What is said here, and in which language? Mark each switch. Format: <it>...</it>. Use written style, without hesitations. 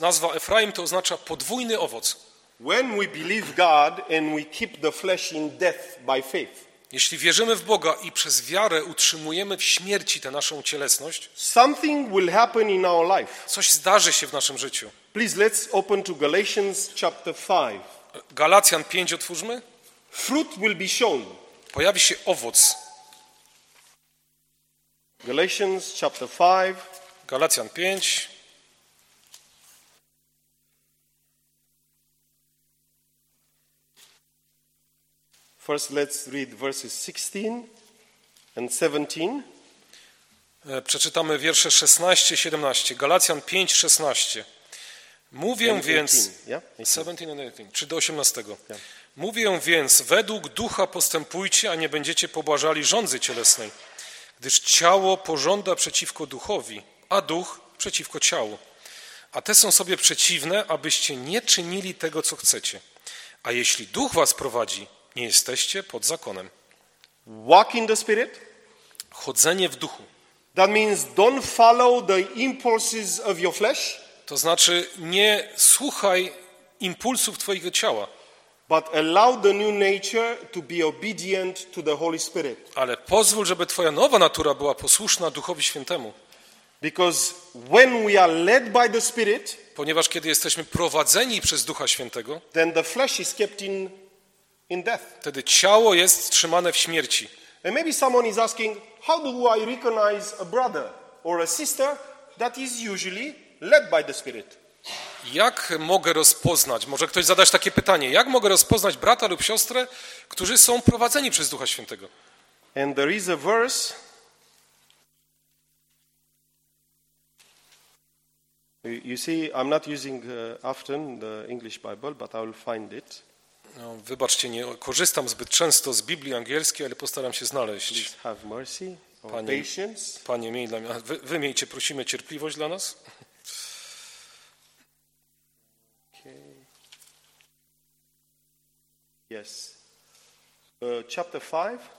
<pl>Nazwa Efraim to oznacza podwójny owoc.</pl> <en>When we believe God and we keep the flesh in death by faith.</en> <pl>Jeśli wierzymy w Boga i przez wiarę utrzymujemy w śmierci tę naszą cielesność,</pl> <en>something will happen in our life.</en> <pl>Coś zdarzy się w naszym życiu.</pl> <en>Please let's open to Galatians chapter 5.</en> <pl>Galacjan 5 otwórzmy.</pl> <en>Fruit will be shown.</en> <pl>Pojawi się owoc.</pl> <en>Galatians chapter 5.</en> <pl>Galacjan 5.</pl> <en>First let's read verses 16 and 17.</en> <pl>Przeczytamy wiersze 16 i 17. Galacjan 5, 16. Mówię więc...</pl> <en>17 and 18.</en> <pl>Czy do 18. Mówię więc, według ducha postępujcie, a nie będziecie pobłażali żądzy cielesnej, gdyż ciało pożąda przeciwko duchowi, a duch przeciwko ciału. A te są sobie przeciwne, abyście nie czynili tego, co chcecie. A jeśli duch was prowadzi... Nie jesteście pod zakonem.</pl> <en>Walk in the spirit.</en> <pl>Chodzenie w duchu.</pl> <en>That means don't follow the impulses of your flesh.</en> <pl>To znaczy nie słuchaj impulsów twojego ciała.</pl> <en>But allow the new nature to be obedient to the Holy Spirit.</en> <pl>Ale pozwól, żeby twoja nowa natura była posłuszna Duchowi Świętemu.</pl> <en>Because when we are led by the Spirit,</en> <pl>ponieważ kiedy jesteśmy prowadzeni przez Ducha Świętego,</pl> <en>then the flesh is kept in in death.</en> <pl>Wtedy ciało jest trzymane w śmierci.</pl> <en>And maybe someone is asking, how do I recognize a brother or a sister that is usually led by the Spirit?</en> <pl>Jak mogę rozpoznać, może ktoś zadać takie pytanie, jak mogę rozpoznać brata lub siostrę, którzy są prowadzeni przez Ducha Świętego?</pl> <en>And there is a verse. You see, I'm not using often the English Bible, but I will find it.</en> <pl>No, wybaczcie, nie korzystam zbyt często z Biblii angielskiej, ale postaram się znaleźć.</pl> <en>Have mercy or Panie, patience.</en> <pl>Panie, miej dla mnie, wy miejcie, prosimy, cierpliwość dla nas.</pl> <en>Okay. Yes. Chapter 5.</en>